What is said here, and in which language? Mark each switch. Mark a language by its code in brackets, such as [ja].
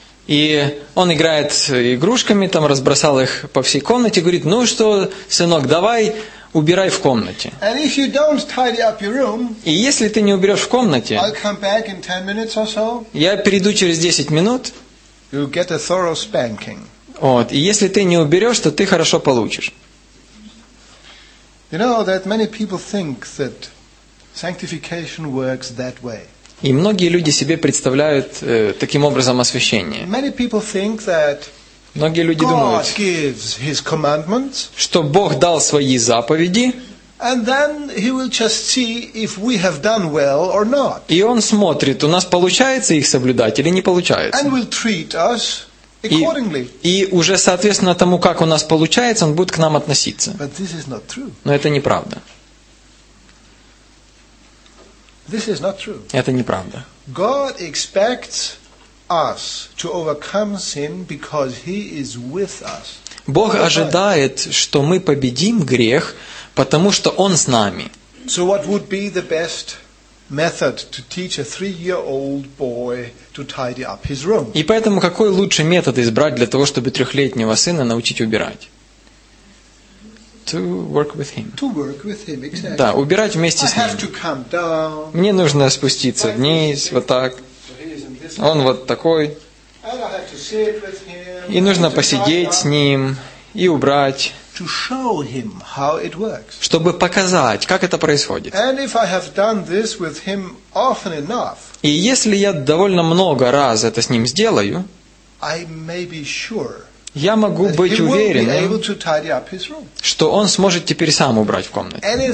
[ru] И он играет игрушками, там разбросал их по всей комнате, говорит, ну что, сынок, давай, убирай в комнате. [en] And if you don't tidy up your room, [ru] и если ты не уберешь в комнате, [en] I'll come back in 10 minutes or so, [ru] я перейду через 10 минут, [en] you'll get a thorough spanking. [ru] Вот, и если ты не уберешь, то ты хорошо получишь. [en] You know that many people think that sanctification works that way. [ru] И многие люди себе представляют таким образом освящение. [en] Many people think that [ru] многие люди [en] God [ru] думают, [en] gives his commandments, [ru] что Бог дал свои заповеди, [en] and then he will just see if we have done well or not. [ru] И он смотрит, у нас получается их соблюдать или не получается. [en] And will treat us accordingly. [ru] И уже соответственно тому, как у нас получается, он будет к нам относиться. [en] But this is not true. [ru] Но это неправда. [en] This is not true. [ru] Это неправда. [en] God expects us to overcome sin because He is with us. [ru] Бог ожидает, что мы победим грех, потому что Он с нами. [en] So what would be the best method to teach a three-year-old boy to tidy up his room? [ru] И поэтому какой лучший метод избрать для того, чтобы трехлетнего сына научить убирать? [en] To work with him. To work with him, exactly. [ru] Да, убирать вместе с ним. [en] I have to come down. [ru] Мне нужно спуститься вниз, вот так. Он вот такой. [en] And I have to sit with him. [ru] И нужно посидеть с ним и убрать. [en] To show him how it works. [ru] Чтобы показать, как это происходит. [en] And if I have done this with him often enough, [ru] и если я довольно много раз это с ним сделаю, [en] I may be sure. [ru] Я могу быть уверенным, что он сможет теперь сам убрать в комнате.